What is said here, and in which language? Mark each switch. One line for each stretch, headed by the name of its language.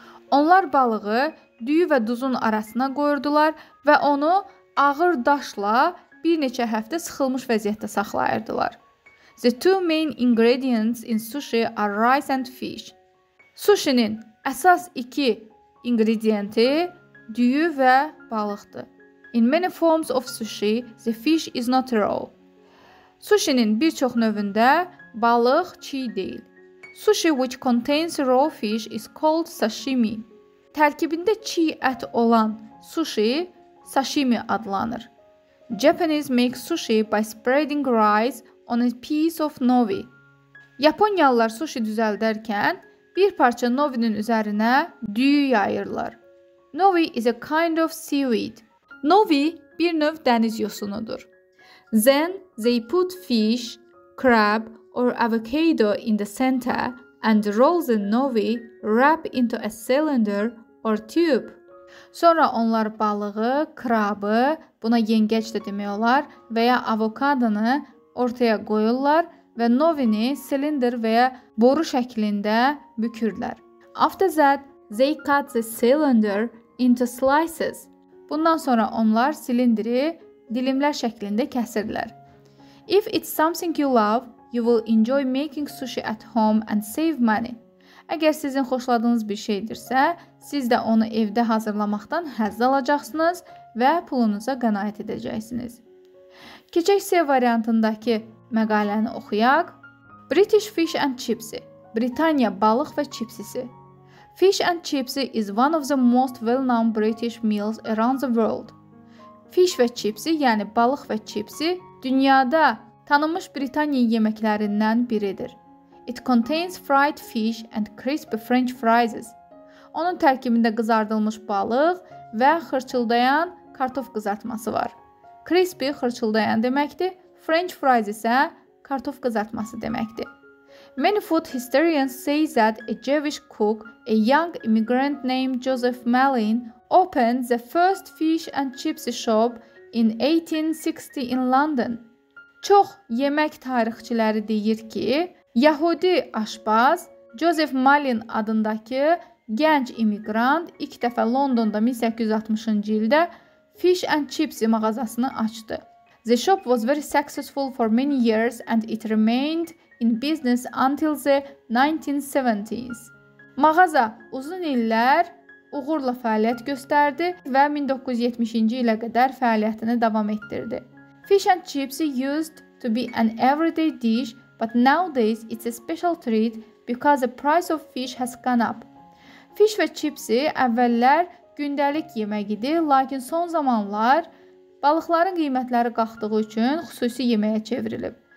Azerbaijani: Onlar balığı düyü və duzun arasına qoyurdular və onu ağır daşla bir neçə həftə sıxılmış vəziyyətdə saxlayırdılar.
English: The two main ingredients in sushi are rice and fish.
Azerbaijani: Sushinin əsas iki ingredienti düyü və balıqdır.
English: In many forms of sushi, the fish is not raw.
Azerbaijani: Sushinin bir çox növündə balıq çiğ deyil.
English: Sushi which contains raw fish is called sashimi.
Azerbaijani: Tərkibində çiğ ət olan sushi sashimi adlanır.
English: Japanese make sushi by spreading rice on a piece of novi.
Azerbaijani: Yaponiyalılar sushi düzəldərkən bir parça novinin üzərinə düyü yayırlar.
English: Novi is a kind of seaweed.
Azerbaijani: Novi bir növ dəniz yosunudur.
English: Then they put fish, crab or avocado in the center and rolls and novi wrap into a cylinder or tube.
Azerbaijani: Sonra onlar balığı, krabı, buna yengeç de demək olar veya avokadonu ortaya koyurlar və novini silindir veya boru şəklində bükürlər.
English: After that, they cut the cylinder into slices.
Azerbaijani: Bundan sonra onlar silindiri dilimlər şəklində kəsirlər.
English: If it's something you love, you will enjoy making sushi at home and save money.
Azerbaijani: Əgər sizin xoşladığınız bir şeydirsə, siz də onu evdə hazırlamaqdan həzz alacaqsınız və pulunuza qənaət edəcəksiniz. Keçək C variantındakı məqaləni oxuyaq.
English: British Fish and Chipsy.
Azerbaijani: Britaniya balıq və çipsisi.
English: Fish and Chipsy is one of the most well-known British meals around the world.
Azerbaijani: Fish və çipsi, yəni balıq və çipsi, dünyada tanınmış Britaniya yeməklərindən biridir.
English: It contains fried fish and crispy French fries.
Azerbaijani: Onun tərkibində qızardılmış balıq və xırçıldayan kartof qızartması var. Crispy xırçıldayan deməkdir, French fries isə kartof qızartması deməkdir.
English: Many food historians say that a Jewish cook, a young immigrant named Joseph Malin, opened the first fish and chips shop in 1860 in London.
Azerbaijani: Çox yemək tarixçiləri deyir ki, Yahudi aşbaz Joseph Malin adındakı gənc immigrant ilk dəfə Londonda 1860-cı ildə Fish and Chips mağazasını açdı.
English: The shop was very successful for many years and it remained in business until the 1970s.
Azerbaijani: Mağaza uzun illər uğurla fəaliyyət göstərdi və 1970-ci ilə qədər fəaliyyətini davam etdirdi.
English: Fish and Chips used to be an everyday dish, but nowadays it's a special treat because the price of fish has gone up.
Azerbaijani: Fish və çipsi əvvəllər gündəlik yemək idi, lakin son zamanlar balıqların qiymətləri qalxdığı üçün xüsusi yeməyə çevrilib.